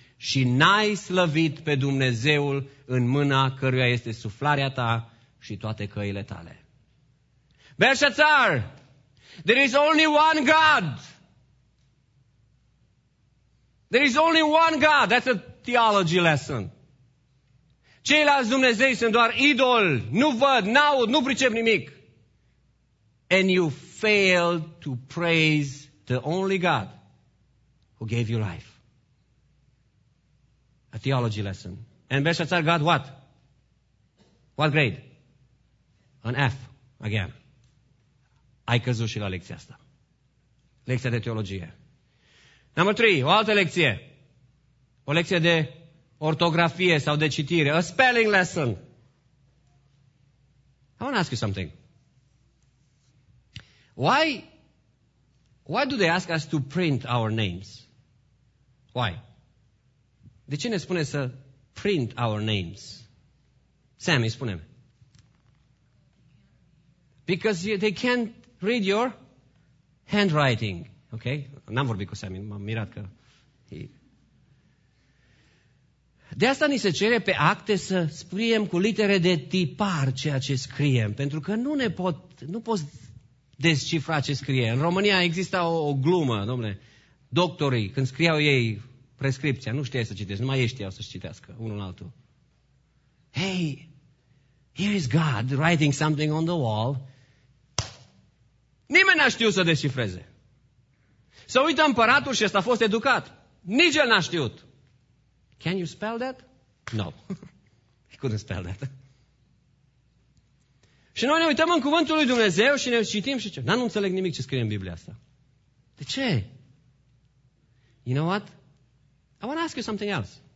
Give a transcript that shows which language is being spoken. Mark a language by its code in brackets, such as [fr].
[ro] Și n-ai slăvit pe Dumnezeul în mâna căruia este suflarea ta și toate căile tale. [en] Belshazzar, there is only one God. There is only one God. That's a theology lesson. [ro] Ceilalți Dumnezei sunt doar idoli. Nu văd, n-aud, nu pricep nimic. [en] And you failed to praise the only God who gave you life. A theology lesson. And Belshazzar got what? What grade? An F. Again. [ro] Ai căzut și la lecția asta. Lecția de teologie. [en] Number three, [ro] o altă lecție. O lecție de ortografie sau de citire. [en] A spelling lesson. I want to ask you something. Why do they ask us to print our names? Why? [ro] De ce ne spune să [en] print our names? [ro] Sammy, spune-mi. [en] Because they can't read your handwriting. Ok? [ro] N-am vorbit cu Sammy, m-am mirat că... De asta ni se cere pe acte să scriem cu litere de tipar ceea ce scriem, pentru că nu poți descifra ce scrie. În România exista o glumă, domnule, doctorii, când scriau ei prescripția, nu știau să citească, numai ei știau să citească unul altul. [en] Hey, here is God writing something on the wall. [ro] Nimeni n-a știut să descifreze. Să uită împăratul și ăsta a fost educat. Nici el n-a știut. [en] Can you spell that? No. I couldn't spell that. [ro] Și noi ne uităm în cuvântul lui Dumnezeu și ne citim și ce? Nu înțeleg nimic ce scrie în Biblia asta. De ce? [en] You know what? I want to ask you something else.